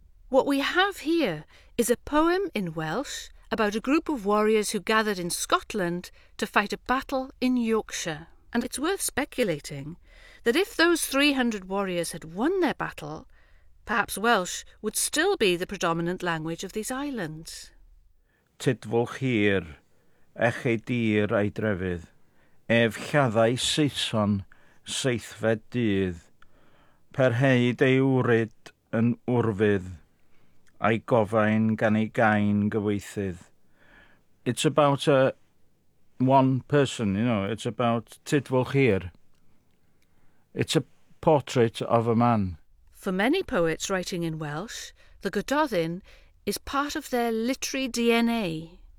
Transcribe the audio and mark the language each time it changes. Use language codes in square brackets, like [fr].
[en] What we have here is a poem in Welsh about a group of warriors who gathered in Scotland to fight a battle in Yorkshire. And it's worth speculating that if those 300 warriors had won their battle, perhaps Welsh would still be the predominant language of these islands. [cy] Tydfwlch hir, eich ei dir a'i drefydd, ef lladdau Saeson seithfed dydd, perheid ei wryd yn wrfydd, a'i gofain gan ei gain gyweithydd. [en] It's about a one person, you know, it's about Tydfwlch Hir. It's a portrait of a man. For many poets writing in Welsh, the Gododdin is part of their literary DNA.